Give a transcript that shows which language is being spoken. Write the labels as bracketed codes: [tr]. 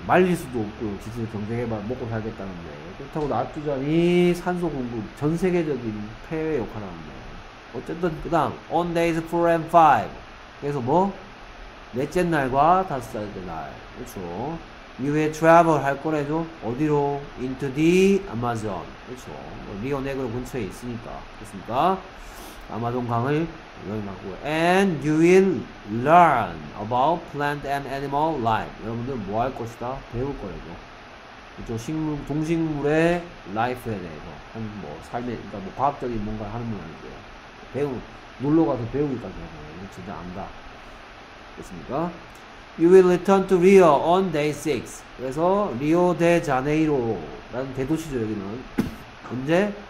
[ko] 말릴 수도 없고 지지를 경쟁해봐 먹고 살겠다는데 그렇다고 놔두자니 산소 공급 전 세계적인 폐의 역할을 하는데 어쨌든 그 다음 [en] on days 4 and 5 [ko] 그래서 뭐 넷째 날과 다섯째 날 그렇죠 [en] You will travel [ko] 할 거래도 어디로? [en] Into the Amazon. [ko] 그렇죠. 리오네그로 근처에 있으니까. 그렇습니까? 아마존 강을 여행하고. [en] And you will learn about plant and animal life. [ko] 여러분들 뭐할 것이다? 배울 거래도. 그렇죠. 식물, 동식물의 라이프에 대해서. 한, 뭐, 삶에, 그러니까 뭐, 과학적인 뭔가를 하는 건 아니고요. 배우, 놀러 가서 배우기까지 하는 거예요. 진짜 안다. 그렇습니까? [en] You will return to Rio on day 6. [ko] 그래서, 리오 데 자네이로라는 대도시죠, 여기는. 언제?